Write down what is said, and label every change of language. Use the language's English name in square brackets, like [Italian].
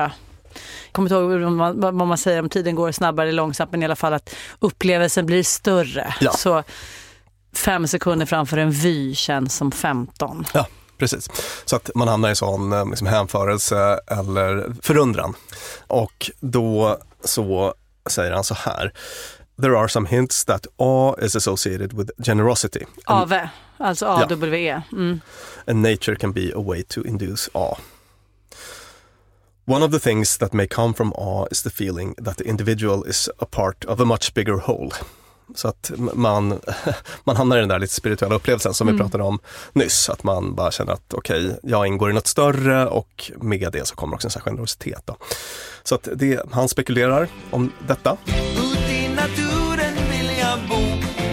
[Swedish] Jag kommer inte ihåg vad man säger om tiden går snabbare eller långsamt, men i alla fall att upplevelsen blir större. Ja. Så 5 sekunder framför en vy känns som 15. Ja, precis. Så att man hamnar i sån liksom, hänförelse eller förundran. Och då så säger han så här. [English] There are some hints that awe is associated with generosity. [Swedish] Ave, alltså A-W-E. [English] And nature can be a way to induce awe. One of the things that may come from awe is the feeling that the individual is a part of a much bigger whole. [Swedish] Så att man hamnar i den där lite spirituella upplevelsen som vi pratade om nyss. Att man bara känner att okej, jag ingår i något större och med det så kommer också en sån här generositet. Då. Så att det, han spekulerar om detta. Ut i naturen vill jag bo.